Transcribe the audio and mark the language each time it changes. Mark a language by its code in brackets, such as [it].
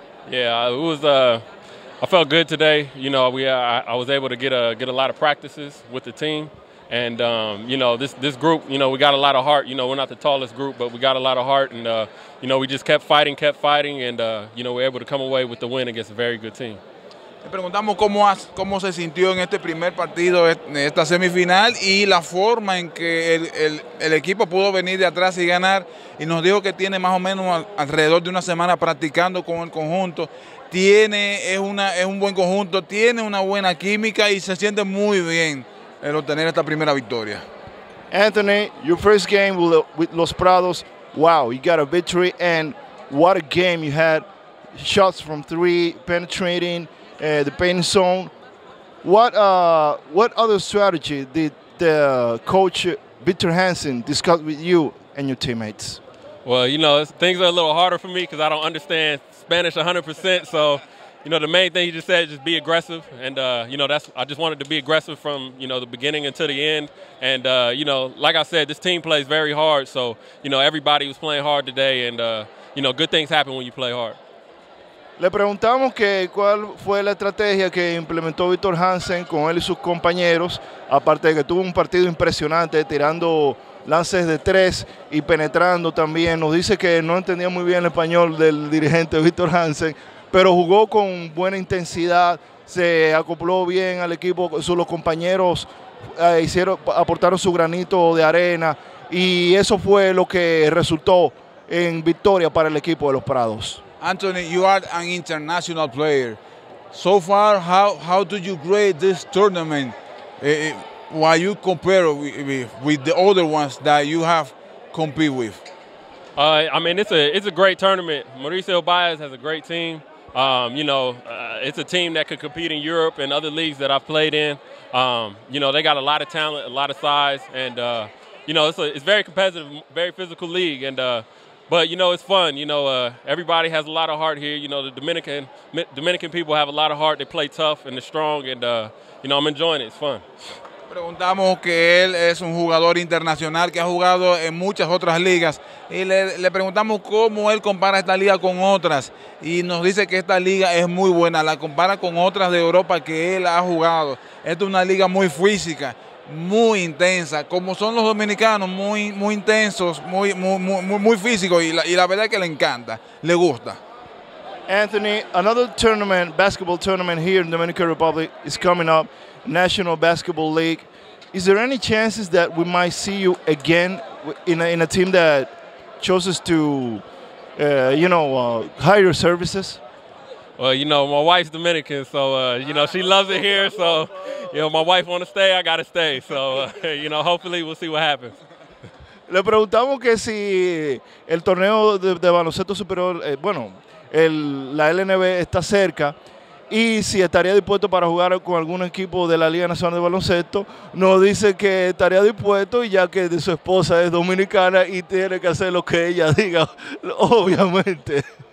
[en] Yeah, it was. I felt good today. You know, I was able to get a lot of practices with the team, and you know, this group, you know, we got a lot of heart. You know, we're not the tallest group, but we got a lot of heart, and you know, we just kept fighting, and you know, we're able to come away with the win against a very good team. [es] Le preguntamos cómo se sintió en este primer partido, en esta semifinal, y la forma en que el equipo pudo venir de atrás y ganar. Y nos dijo que tiene más o menos alrededor de una semana practicando con el conjunto. Es un buen conjunto, tiene una buena química y se siente muy bien el obtener esta primera victoria. [en] Anthony, your first game with Los Prados, wow, you got a victory and what a game you had. Shots from three, penetrating. The paint zone. What other strategy did the coach Victor Hansen discuss with you and your teammates? Well, you know, things are a little harder for me because I don't understand Spanish 100%. So, you know, the main thing he just said is just be aggressive. And, you know, I just wanted to be aggressive from, you know, the beginning until the end. And, you know, like I said, this team plays very hard. So, you know, everybody was playing hard today. And, you know, good things happen when you play hard. [es] Le preguntamos que cuál fue la estrategia que implementó Victor Hansen con él y sus compañeros, aparte de que tuvo un partido impresionante tirando lances de tres y penetrando también. Nos dice que no entendía muy bien el español del dirigente Victor Hansen, pero jugó con buena intensidad, se acopló bien al equipo, sus compañeros aportaron su granito de arena y eso fue lo que resultó en victoria para el equipo de Los Prados. [en] Anthony, you are an international player. So far, how do you grade this tournament while you compare with the other ones that you have compete with? I mean, it's a great tournament. Mauricio Baez has a great team. You know, it's a team that could compete in Europe and other leagues that I've played in. You know, they got a lot of talent, a lot of size, and, you know, it's very competitive, very physical league, and, but, you know, it's fun. You know, everybody has a lot of heart here. You know, the Dominican people have a lot of heart. They play tough and they're strong. And, you know, I'm enjoying it. It's fun. [es] Preguntamos que él es un jugador internacional que ha jugado en muchas otras ligas. Y le preguntamos cómo él compara esta liga con otras. Y nos dice que esta liga es muy buena. La compara con otras de Europa que él ha jugado. Esta es una liga muy física. Muy intensa, como son los dominicanos, muy muy intensos, muy muy muy, muy físicos y la verdad es que le encanta, le gusta. [en] Anthony, another tournament, basketball tournament here in Dominican Republic is coming up, National Basketball League. Is there any chances that we might see you again in a team that chooses to, you know, hire your services? Well, you know, my wife's Dominican, so you know, she loves it here, so. You know, my wife wants to stay, I got to stay. So, you know, hopefully we'll see what happens. [es] Le preguntamos que si el torneo de baloncesto superior, bueno, la LNB está cerca y si estaría dispuesto para jugar con algún equipo de la Liga Nacional de Baloncesto, nos dice que estaría dispuesto ya que su esposa es dominicana y tiene que hacer lo que ella diga, obviamente.